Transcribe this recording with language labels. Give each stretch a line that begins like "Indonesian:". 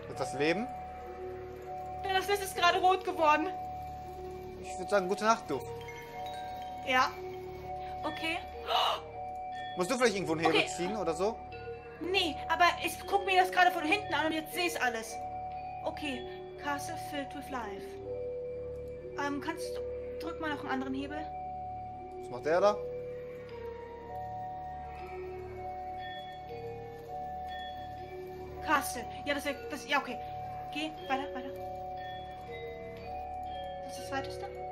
German: Das Leben. Das Licht ist gerade rot geworden. Ich würde sagen, gute Nacht, du. Ja. Okay. Musst du vielleicht irgendwo einen Hebel ziehen oder so? Nee, aber ich gucke mir das gerade von hinten an und jetzt sehe ich alles. Okay.
English: Castle filled with life.
German: Drück mal noch einen anderen Hebel. Was macht der da? Castle. Ja, das wäre. Ja, okay. Geh, weiter. Das ist das Weiteste.